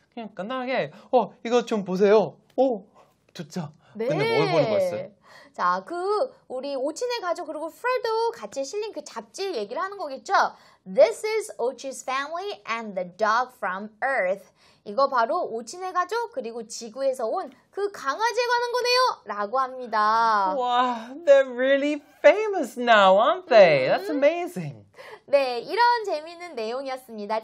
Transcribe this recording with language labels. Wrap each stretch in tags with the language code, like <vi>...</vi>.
<ko>그냥 간단하게 이거 좀 보세요. 오, 좋죠. 네. 근데 뭘 보는 거였어요? 자, 그 우리 오친의 가족 그리고 프레도 같이 실린 그 잡지 얘기를 하는 거겠죠?</ko> <en>This is Ochi's family and the dog from Earth.</en> <ko>이거 바로 오친의 가족 그리고 지구에서 온 그 강아지에 관한 거네요! 라고 합니다.</ko> <en>Wow, they're really famous now, aren't they? That's amazing.</en> <ko>네, 이런 재미있는 내용이었습니다.</ko>